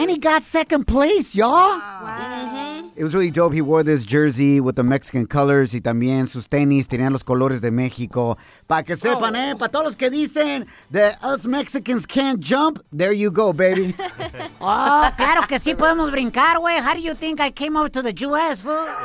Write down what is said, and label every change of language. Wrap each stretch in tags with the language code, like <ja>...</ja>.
<en>And he got second place, y'all. Wow. Mm-hmm. It was really dope. He wore this jersey with the Mexican colors.</en> <es>Y también sus tenis tenían los colores de México. Para que sepan, oh. Para todos los que dicen</es> <en>that us Mexicans can't jump, there you go, baby.</en> <es>Oh, claro que sí podemos brincar, güey.</es> <en>How do you think I came over to the U.S., fool?</en>